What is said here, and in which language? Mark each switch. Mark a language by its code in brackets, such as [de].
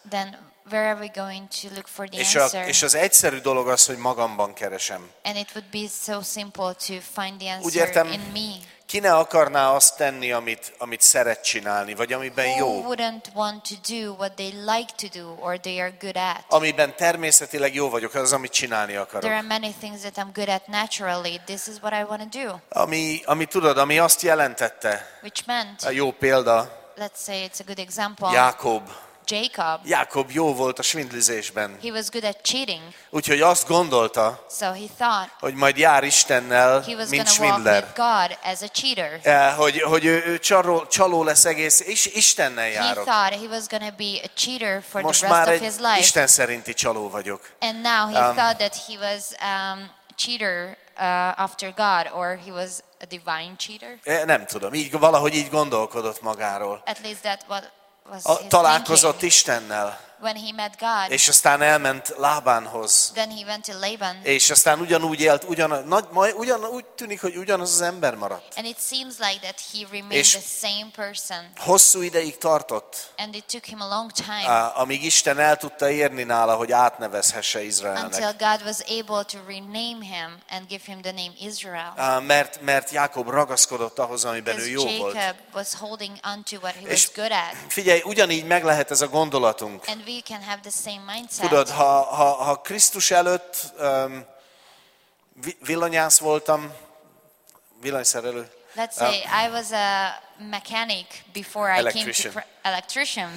[en] Then where are we going to look for the answer? [hu] És az egyszerű dolog az, hogy magamban keresem. [en] And it would be so simple to find the answer [hu] úgy értem, [en] in me. [hu] Ki ne akarná azt tenni, amit szeret csinálni, vagy amiben jó? [en] Who wouldn't want to do what they like to do or they are good at? [hu] Amiben természetileg jó vagyok, az amit csinálni akarok. [en] There are many things that I'm good at naturally. This is what I want to do. [hu] Ami tudod, ami azt jelentette. [en] Which meant? [hu] A jó példa. [en] Let's say it's a good example. [hu] Jákob jó volt a svindlizésben. [en] He was good at cheating. [hu] Úgyhogy azt gondolta, [en] so he thought, [hu] hogy majd jár Istennel, [en] he was [hu] mint svindler. [en] Walk with God as a cheater. [hu] Hogy ő csaló lesz egész, és Istennel járok. [en] He thought he was gonna be a cheater for [hu] most [en] the rest of his life. [hu] Isten szerinti csaló vagyok. [en] And now he thought that he was cheater after God, or he was a divine cheater. [hu] Nem tudom, így valahogy így gondolkodott magáról. [en] At least that what [hu] találkozott Istennel. [en] When he met God, [hu] és aztán elment Lábánhoz. [en] Then he went to Laban. [hu] És aztán ugyanúgy élt, úgy tűnik, hogy ugyanaz az ember maradt. [en] And it seems like that he remained the same person. [hu] Hosszú ideig tartott. [en] And it took him a long time. [hu] Amíg Isten el tudta érni nála, hogy átnevezhesse Izraelnek. [en] Until God was able to rename him and give him the name Israel. [hu] Mert Jákob ragaszkodott ahhoz, amiben ő jó [en] Jacob [hu] volt. [en] Jacob was holding onto what he was good at. [hu] Figyelj, ugyanígy meg lehet ez a gondolatunk. [en] And we can have the same mindset. [hu] Tudod, ha Krisztus előtt villanyász voltam, villanyszerelő. [en] Let's say I was a mechanic before electrician